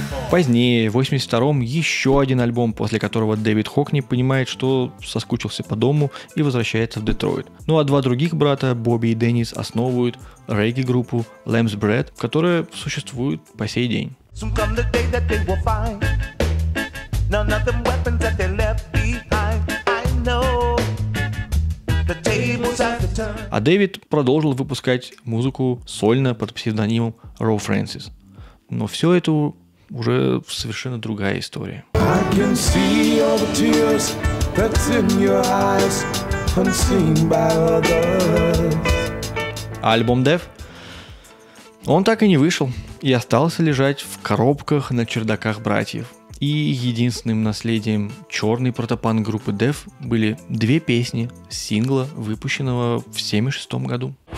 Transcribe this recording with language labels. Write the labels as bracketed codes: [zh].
[ru] Позднее, в 82-м, еще один альбом, после которого Дэвид Хокни понимает, что соскучился по дому и возвращается в Детройт. Ну а два других брата, Бобби и Деннис, основывают регги-группу Lamb's Bread, которая существует по сей день. [en] Soon come the day that they will find none of them weapons that they left behind. I know the tables have to turn. [ru] А Дэвид продолжил выпускать музыку сольно под псевдонимом Роу Фрэнсис. Но все это уже совершенно другая история. [en] I can see all the tears that's in your eyes unseen by others. [ru] Альбом Death? Он так и не вышел. И остался лежать в коробках на чердаках братьев. И единственным наследием черной протопанк группы Def были две песни с сингла, выпущенного в 76 году.